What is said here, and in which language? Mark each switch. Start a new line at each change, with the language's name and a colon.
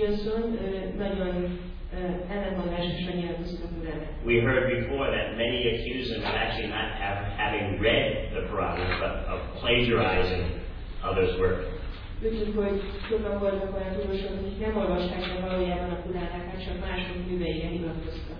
Hungarian: Wilson, nagyon ellenmondásos a nyilatkozatában.
English: We heard before that many accuse him of actually not having read the Puranas, but of plagiarizing others' work.
Hungarian: Tudjuk, hogy sokan voltak olyan tudósok, akik nem olvasták meg valójában a Puránákat, csak mások műveire hivatkoztak.